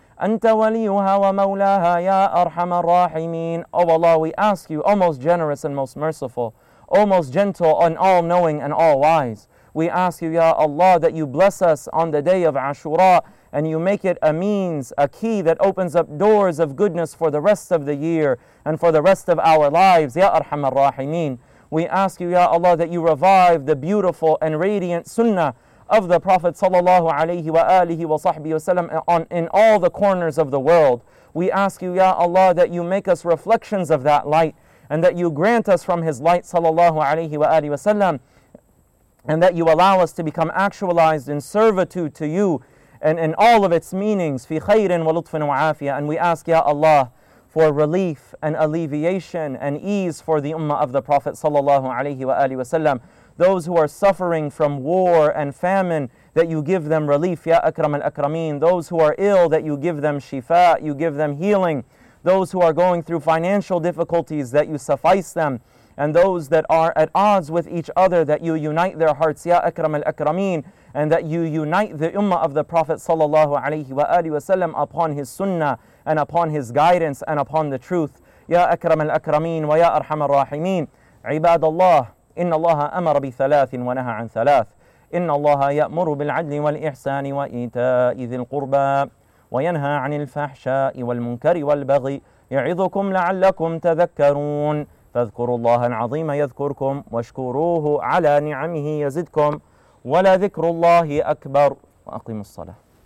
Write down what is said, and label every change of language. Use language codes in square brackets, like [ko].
[ar] أنت وليها ومولاها يا أرحم الراحمين [en] Oh Allah, we ask you, O most generous and most merciful, O most gentle and all-knowing and all-wise, we ask you, Ya Allah, that you bless us on the day of Ashura and you make it a means, a key that opens up doors of goodness for the rest of the year and for the rest of our lives, Ya Arham al-Rahimeen. We ask you, Ya Allah, that you revive the beautiful and radiant sunnah of the Prophet sallallahu alayhi wa alihi wa sahbihi wa sallam in all the corners of the world. We ask you, Ya Allah, that you make us reflections of that light and that you grant us from his light sallallahu alayhi wa alihi wa sallam and that you allow us to become actualized in servitude to you and in all of its meanings, fi khayrin wa lutfin wa afiyah. And we ask, Ya Allah, for relief and alleviation and ease for the ummah of the Prophet sallallahu alayhi wa alihi wa sallam. Those who are suffering from war and famine, that you give them relief, Ya Akram al-Akrameen. Those who are ill, that you give them shifa, you give them healing. Those who are going through financial difficulties, that you suffice them. And those that are at odds with each other, that you unite their hearts, Ya Akram al-Akrameen, and that you unite the ummah of the Prophet sallallahu alayhi wa alihi wa sallam upon his sunnah and upon his guidance and upon the truth. Ya Akram al-Akrameen wa Ya Arham al-Rahimeen. [ar] Ibad Allah, إن الله أمر بثلاث ونهى عن ثلاث إن الله يأمر بالعدل والإحسان وإيتاء ذي القربى وينهى عن الفحشاء والمنكر والبغي يعظكم لعلكم تذكرون فاذكروا الله العظيم يذكركم واشكروه على نعمه يزدكم ولذكر الله أكبر وأقيموا الصلاة